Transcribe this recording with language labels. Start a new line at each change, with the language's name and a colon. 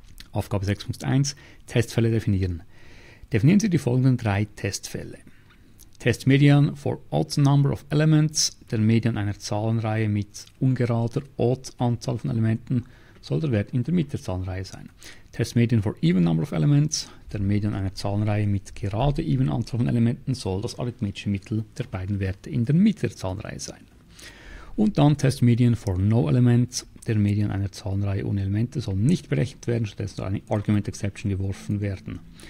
German: Aufgabe 6.1, Testfälle definieren. Definieren Sie die folgenden drei Testfälle.
English: Test Median for odd number of elements.
German: Der Median einer Zahlenreihe mit ungerader odd Anzahl von Elementen soll der Wert in der Mitte der Zahlenreihe sein.
English: Test Median for even number of elements.
German: Der Median einer Zahlenreihe mit gerade even Anzahl von Elementen soll das arithmetische Mittel der beiden Werte in der Mitte der Zahlenreihe sein. Und dann
English: Test Median for no elements.
German: Der Median einer Zahlenreihe ohne Elemente soll nicht berechnet werden, stattdessen soll eine Argument Exception geworfen werden.